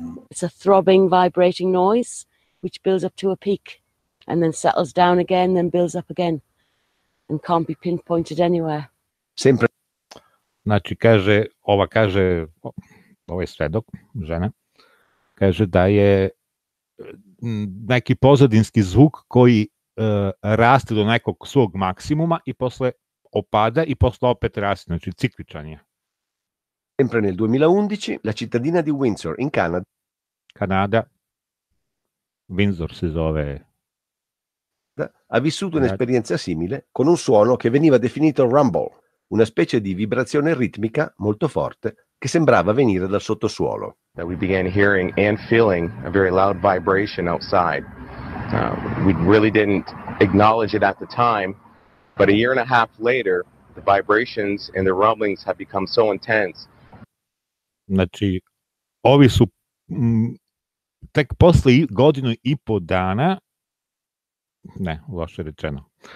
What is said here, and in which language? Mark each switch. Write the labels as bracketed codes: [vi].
[en] It's a throbbing, vibrating noise, which builds up to a peak, and then settles down again, then builds up again, and can't be pinpointed anywhere. [it] Sempre. [sr] Znači, kaže, ova kaže, ovo je svedok, žena, kaže da je neki pozadinski zvuk koji raste do nekog svog maksimuma i posle opada i posle opet raste, znači cikličan je. [it] Sempre nel 2011 la cittadina di Windsor in Canada. [sr] Kanada. Windsor si zove. [it] Ha vissuto un'esperienza simile con un suono che veniva definito rumble, una specie di vibrazione ritmica molto forte che sembrava venire dal sottosuolo. [en] That we began hearing and feeling a very loud vibration outside. We really didn't acknowledge it at the time, but a year and a half later, the vibrations and the rumblings have become so intense. [sr] Znači, ovi su tek posle godinu i po dana, ne, loše rečeno.